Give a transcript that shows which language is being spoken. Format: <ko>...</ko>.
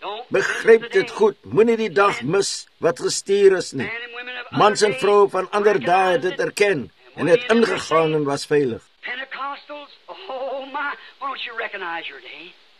<af>Begryp dit goed, moenie die dag mis wat gestuur is nie. Mans en vrou van ander dae het dit erken en het ingegaan en was veilig.</af> <en>Pentecostals, oh my, why don't you recognize your day?</en>